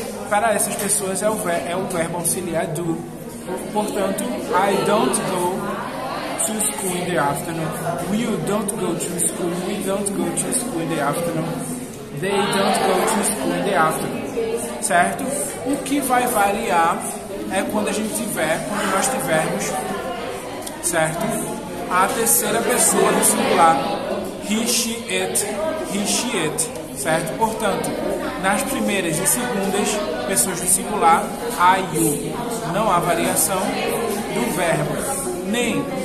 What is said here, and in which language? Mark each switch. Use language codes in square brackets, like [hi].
[pt] Para essas pessoas é o verbo auxiliar do. Portanto, [en] I don't go to school in the afternoon. You don't go to school. We don't go to school in the afternoon. They don't go to school in the afternoon. [pt] Certo? O que vai variar é quando nós tivermos, certo? A terceira pessoa do singular. He, she, it. Certo? Portanto, nas primeiras e segundas pessoas do singular, I, you, não há variação do verbo, nem